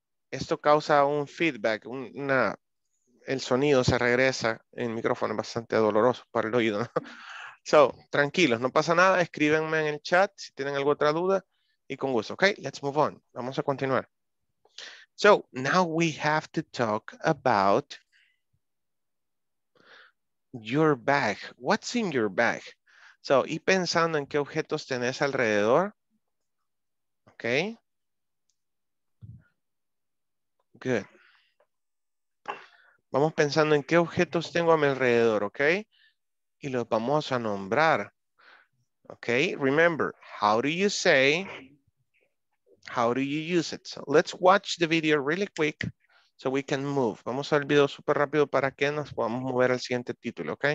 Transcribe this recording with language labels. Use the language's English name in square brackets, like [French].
[Spanish] Esto causa un feedback, el sonido se regresa en el micrófono, es bastante doloroso para el oído, ¿no? So, tranquilos, no pasa nada, escríbenme en el chat si tienen alguna otra duda y con gusto. [English] Ok, let's move on. [Spanish] Vamos a continuar. [English] So now we have to talk about your bag. What's in your bag? [Spanish] So, y pensando en qué objetos tenés alrededor. Okay. [English] Good. [Spanish] Vamos pensando en qué objetos tengo a mi alrededor, ¿ok? Y los vamos a nombrar, ¿ok? [English] Remember, how do you say, how do you use it? So let's watch the video really quick so we can move. [Spanish] Vamos al video súper rápido para que nos podamos mover al siguiente título, ¿ok?